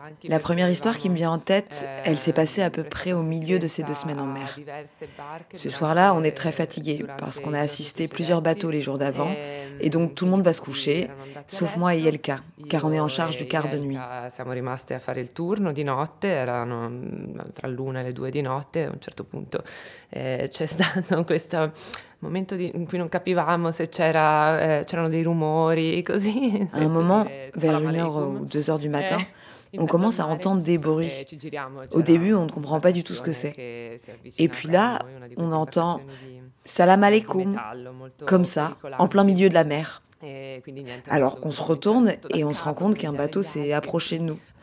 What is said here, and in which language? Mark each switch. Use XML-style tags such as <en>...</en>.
<fr>La première histoire qui me vient en tête, elle s'est passée à peu près au milieu de ces deux semaines en mer. Ce soir-là, on est très fatigué parce qu'on a assisté plusieurs bateaux les jours d'avant et donc tout le monde va se coucher, sauf moi et Yelka, car on est en charge du quart de nuit.</fr> <it>Siamo rimaste a fare il turno di notte, erano tra l'una e le due di notte, a un certo punto c'è stato questo momento in cui non capivamo se c'era c'erano dei rumori e così.</it> <fr>A un moment, vers une heure ou deux heures du matin, on commence à entendre des bruits. Au début, on ne comprend pas du tout ce que c'est. Et puis là, on entend «</fr> <ar>Salam alaikum</ar> <fr>» comme ça, en plein milieu de la mer. Alors, on se retourne et on se rend compte qu'un bateau s'est approché de nous.</fr>